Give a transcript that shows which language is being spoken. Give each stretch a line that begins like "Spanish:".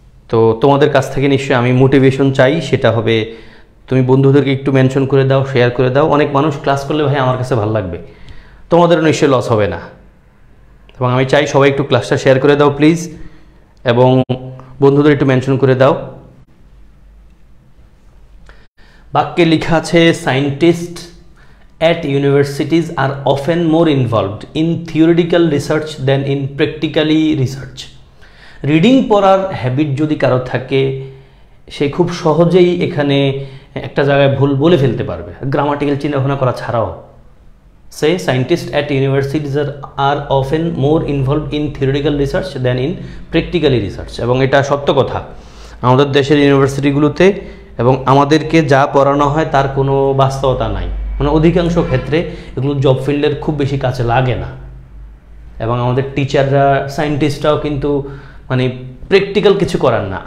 Bangla: তো তোমাদের কাছ থেকে নিশ্চয়ই আমি মোটিভেশন চাই, সেটা হবে তুমি বন্ধুদেরকে একটু মেনশন করে দাও, শেয়ার করে দাও। অনেক মানুষ ক্লাস করলে ভাই আমার কাছে ভালো লাগবে, তোমাদের নিশ্চয়ই লস হবে না, এবং আমি চাই সবাই একটু ক্লাসটা শেয়ার করে দাও প্লিজ, এবং বন্ধুদের একটু মেনশন করে দাও। বাক্যে লেখা আছে
English: Scientist at universities are often more involved in theoretical research than in practically research.
Bangla: Reading পড়ার habit যদি কারো থাকে, সে খুব সহজেই এখানে একটা জায়গায় ভুল বলে ফেলতে পারবে, গ্রামাটিক্যাল চিন্তাভাবনা করা ছাড়াও।
English: সে scientist at universities are often more involved in theoretical research than in practically research.
Bangla: এবং এটা সত্য কথা, আমাদের দেশের ইউনিভার্সিটিগুলোতে এবং আমাদেরকে যা পড়ানো হয় তার কোনো বাস্তবতা নাই, মানে অধিকাংশ ক্ষেত্রে এগুলো জব ফিল্ডের খুব বেশি কাছে লাগে না, এবং আমাদের টিচাররা সায়েন্টিস্টরাও কিন্তু মানে প্র্যাকটিক্যাল কিছু করার না।